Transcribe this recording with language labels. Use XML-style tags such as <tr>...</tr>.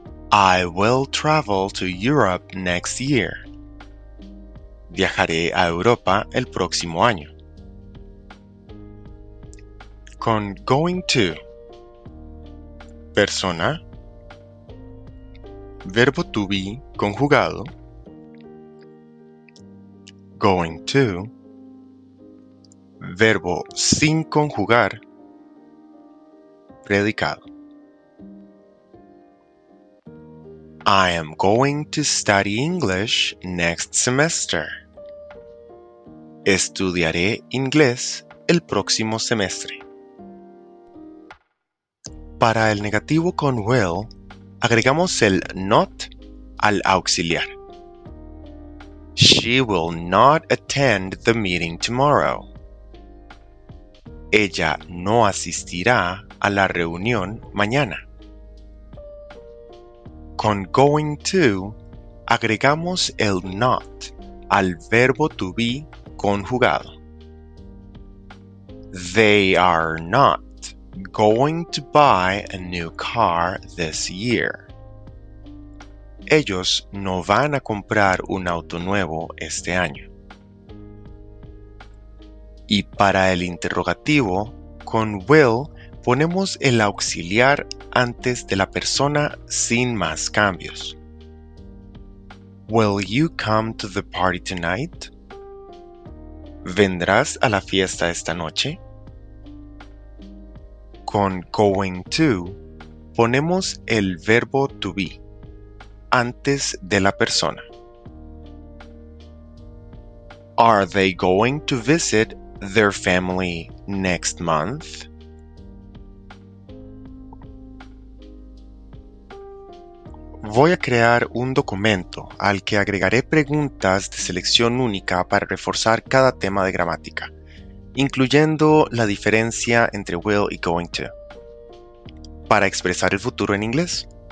<en>I will travel to Europe next year.</en> <es>Viajaré a Europa el próximo año. Con going to. Persona, verbo to be conjugado, going to, verbo sin conjugar, predicado.</es> <en>I am going to study English next semester.</en> <es>Estudiaré inglés el próximo semestre. Para el negativo con will, agregamos el not al auxiliar.</es> <en>She will not attend the meeting tomorrow.</en> <es>Ella no asistirá a la reunión mañana. Con going to, agregamos el not al verbo to be conjugado.</es> <en>They are not going to buy a new car this year.</en> <es>Ellos no van a comprar un auto nuevo este año. Y para el interrogativo, con will ponemos el auxiliar antes de la persona sin más cambios.</es> <en>Will you come to the party tonight?</en> <es>¿Vendrás a la fiesta esta noche? Con going to, ponemos el verbo to be antes de la persona.</es> <en>Are they going to visit their family next month?</en> <es>Voy a crear un documento al que agregaré preguntas de selección única para reforzar cada tema de gramática, incluyendo la diferencia entre will y going to, para expresar el futuro en inglés.</es>